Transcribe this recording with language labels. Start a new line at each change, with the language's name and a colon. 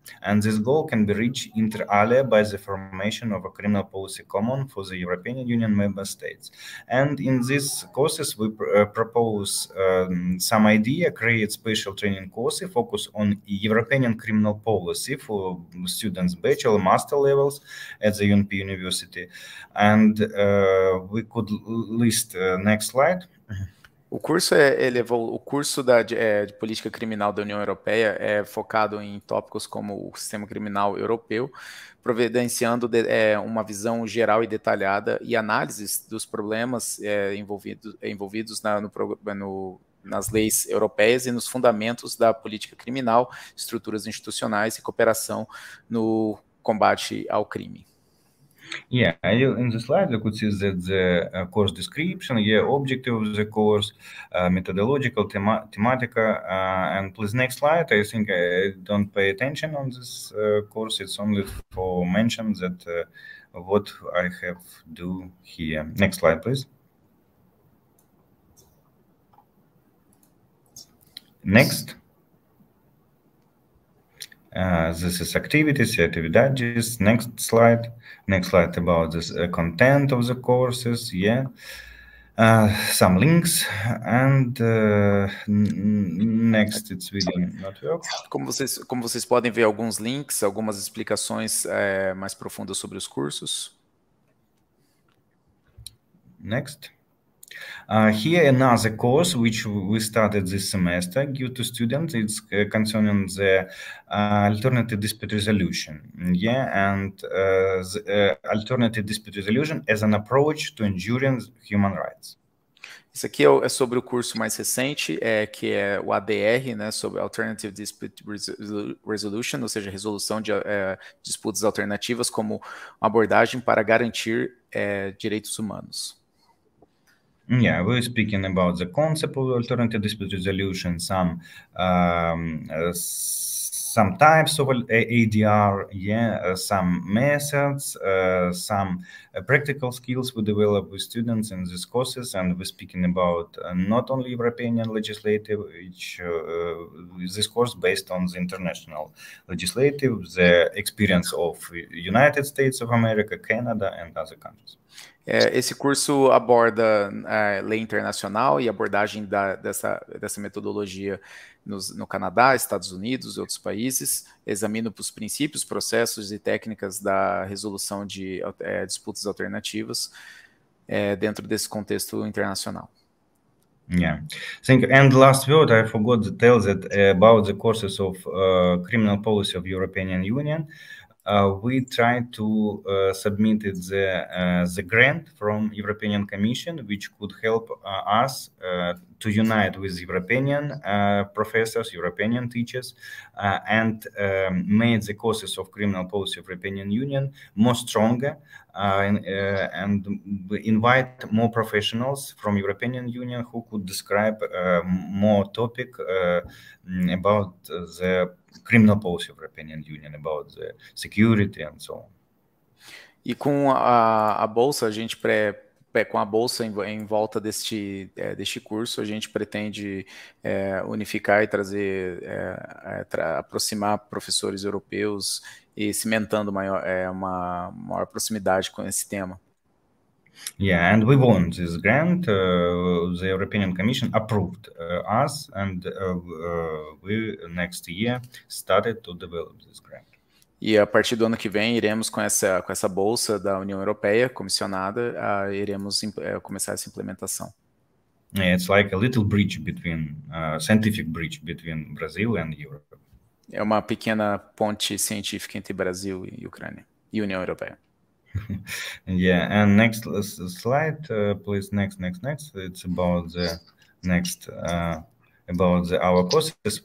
English: And this goal can be reached inter alia by the formation of a criminal policy common for the European Union member states. And in these courses, we propose some idea, create special training courses, focus on European criminal policy for students, bachelor, master levels at the UNP University. And we could list next slide.
Portuguese: O curso de política criminal da União Europeia é focado em tópicos como o sistema criminal europeu, providenciando uma visão geral e detalhada e análises dos problemas envolvidos nas leis europeias e nos fundamentos da política criminal, estruturas institucionais e cooperação no combate ao crime.
English: Yeah, in the slide you could see that the course description, yeah, objective of the course, methodological, thematica, and please next slide. I think I don't pay attention on this course. It's only for mention that what I have do here. Next slide, please. Next. This is activities, actividades. Next slide. Next slide about the content of the courses. Yeah. Some links. And next, it's really not work.
Portuguese: Como vocês podem ver, alguns links, algumas explicações mais profundas sobre os cursos.
English: Next. Here another course which we started this semester due to students. It's concerning the alternative dispute resolution. Yeah, and alternative dispute resolution as an approach to ensuring human rights.
Portuguese: Isso aqui é sobre o curso mais recente, que é o ADR, né, sobre Alternative Dispute Resolution, ou seja, resolução de disputas alternativas como uma abordagem para garantir direitos humanos.
English: Yeah, we're speaking about the concept of alternative dispute resolution, some types of ADR, yeah, some methods, some practical skills we develop with students in these courses, and we're speaking about not only European legislative, which this course based on the international legislative, the experience of United States of America, Canada, and other countries.
Portuguese: Esse curso aborda lei internacional e abordagem dessa metodologia no Canadá, Estados Unidos e outros países. Examina os princípios, processos e técnicas da resolução de disputas alternativas dentro desse contexto internacional.
English: Yeah, thank you. And last word, I forgot to tell that about the courses of criminal policy of European Union. We try to submit the grant from European Commission, which could help us to unite with European professors, European teachers, and make the courses of criminal policy of European Union more stronger, and invite more professionals from European Union who could describe more topic about the criminal policy of European Union, about the security and so on.
Portuguese: E com a bolsa, a gente com a bolsa em volta deste curso, a gente pretende unificar e trazer, aproximar professores europeus e cimentando uma maior proximidade com esse tema.
English: Yeah, and we won this grant. The European Commission approved us, and we next year started to develop this grant.
Portuguese: E a partir do ano que vem iremos com essa bolsa da União Europeia comissionada, iremos começar essa implementação.
English: It's like a little bridge between scientific bridge between Brazil and Europe.
Portuguese: É uma pequena ponte científica entre Brasil e Ucrânia e União Europeia.
English: Yeah, and next slide, please. Next. It's about the next about the our process.